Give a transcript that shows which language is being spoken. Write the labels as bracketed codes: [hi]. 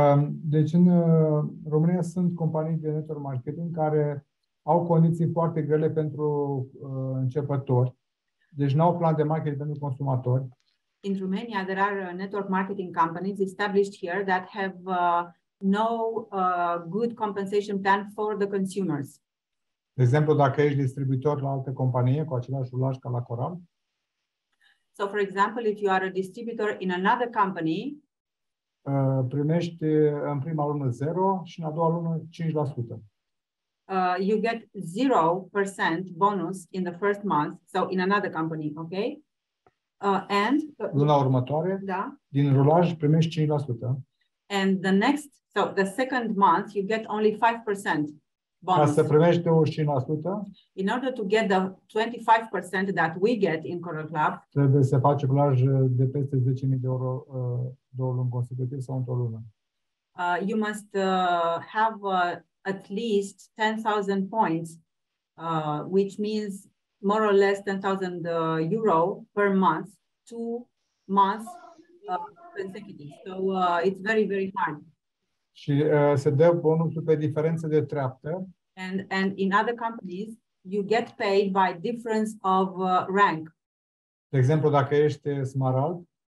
[ro] Deci în România sunt companii de network marketing care au condiții foarte grele pentru începători. Deci n-au plan de marketing pentru consumatori. [en] In Romania there are network marketing companies established here that have no good compensation plan for the consumers. [ro] De exemplu, dacă ești distribuitor la altă companie cu același rulaj ca la Coral. [en] So for example, if you are a distributor in another company, [ro] primești în prima lună 0 și în a doua lună 5%. [en] You get 0% bonus in the first month, so in another company, okay? And [ro] luna următoare, da, din rulaj primești 5%. [en] And the next, so the second month you get only 5% bonus. [ro] Ca să primești 25%, [en] in order to get the 25% that we get in Coral Club, [ro] trebuie să faci rulaj de peste 10.000 de euro două luni consecutiv sau într-o lună. [en] You must have at least 10,000 points, which means more or less 10,000 euro per month, 2 months consecutive. So it's very, very hard. [ro] Și se dă bonusul pe diferență de treaptă. [en] And in other companies, you get paid by difference of rank. [ro] De exemplu, dacă ești smarald.